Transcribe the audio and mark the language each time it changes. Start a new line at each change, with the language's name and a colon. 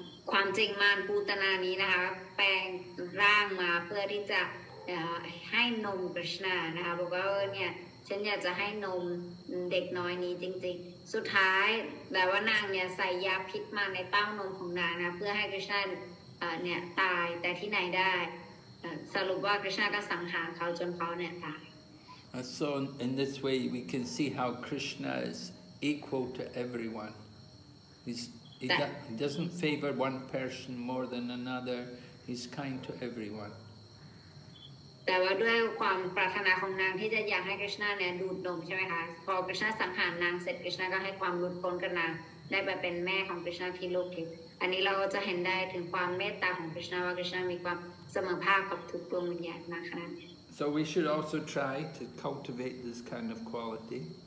Thai: ความจริงมารปูตนานี้นะคะแปลงร่างมาเพื่อที่จะให้นมคริชนานะคะบอกว่าเนี่ยฉันอยากจะให้นมเด็กน้อยนี้จริงๆสุดท้ายแบบว่านางเนี่ยใส่ยาพิษมาในเต้านมของนางนะเพื่อให้คริชนาเนี่ยตายแต่ที่ไหนได้สรุปว่าคริชนาก็สังหารเขาจนเขาเนี่ยตาย
English: so in this way we can see how Krishna is equal to everyonehe doesn't favor one person more than another. He's kind to everyone.
Thai: แต่ว่าด้วยความปรารถนาของนางที่จะอยากให้คริชนาเนี่ยดูดนมใช่ไหมคะพอคริชนาสังหารนางเสร็จคริชนาก็ให้ความหลุดพ้นกับนางได้ไปเป็นแม่ของคริชนาที่โลกทิพย์อันนี้เราก็จะเห็นได้ถึงความเมตตาของคริชนาว่าคริชนามีความเสมอภาคกับทุกดวงวิญญาณมากขนาดนี้
English: So we should also try to cultivate this kind of quality.